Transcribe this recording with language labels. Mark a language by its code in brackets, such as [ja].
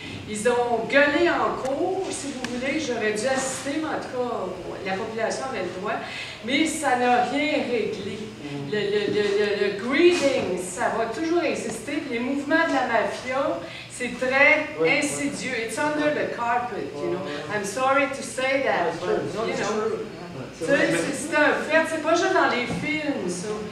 [fr] Ils ont gueulé en cours, si vous voulez, j'aurais dû assister, mais en tout cas, la population avait le droit, mais ça n'a rien réglé. Le greeting, ça va toujours exister. Les mouvements de la mafia, c'est très insidieux. [en] It's under the carpet, you know. I'm sorry to say that, but, you know. [fr] C'est un fait, c'est pas juste dans les films, ça.